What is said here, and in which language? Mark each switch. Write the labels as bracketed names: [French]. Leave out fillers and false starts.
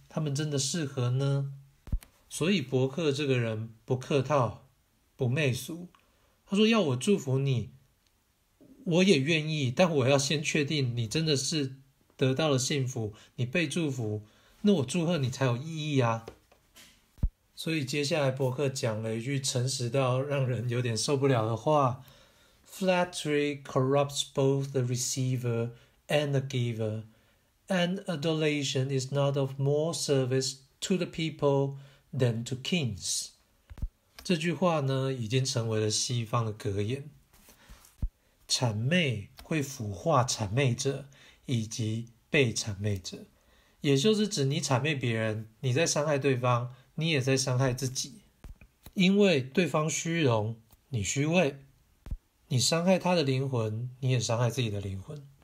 [Chinese] 他们真的适合呢？所以伯克这个人不客套不媚俗，他说要我祝福你我也愿意，但我要先确定你真的是得到了幸福，你被祝福，那我祝贺你才有意义啊。所以接下来伯克讲了一句诚实到让人有点受不了的话， [English] Flattery corrupts both the receiver and the giver, and adulation is not of more service to the people than to kings. [Chinese] 这句话呢已经成为了西方的格言，谄媚会腐化谄媚者以及被谄媚者，也就是指你谄媚别人，你在伤害对方，你也在伤害自己。因为对方虚荣，你虚伪，你伤害他的灵魂，你也伤害自己的灵魂。